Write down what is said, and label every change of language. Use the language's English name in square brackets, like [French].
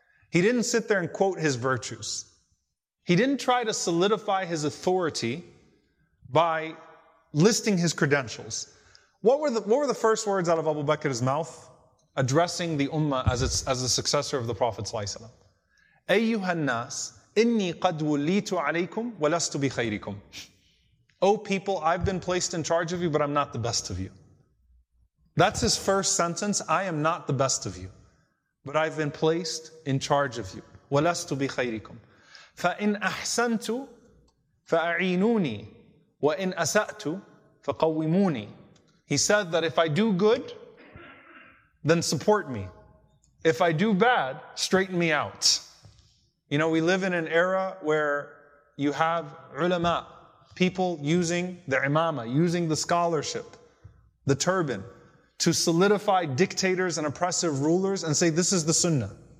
[English] He didn't sit there and quote his virtues. He didn't try to solidify his authority by listing his credentials. What were the first words out of Abu Bakr's mouth? Addressing the ummah as a successor of the Prophet sallallahu alaihi wasallam. [Arabic] أيها الناس إني قد وليت عليكم ولست بخيركم. [English] O people, I've been placed in charge of you, but I'm not the best of you. That's his first sentence. I am not the best of you, but I've been placed in charge of you. [Arabic] ولست بخيركم. فإن أحسنت فأعينوني وإن أسأت فقوموني. [English] He said that if I do good, then support me. If I do bad, straighten me out. You know, we live in an era where you have ulama, people using the imama, using the scholarship, the turban, to solidify dictators and oppressive rulers and say, this is the sunnah.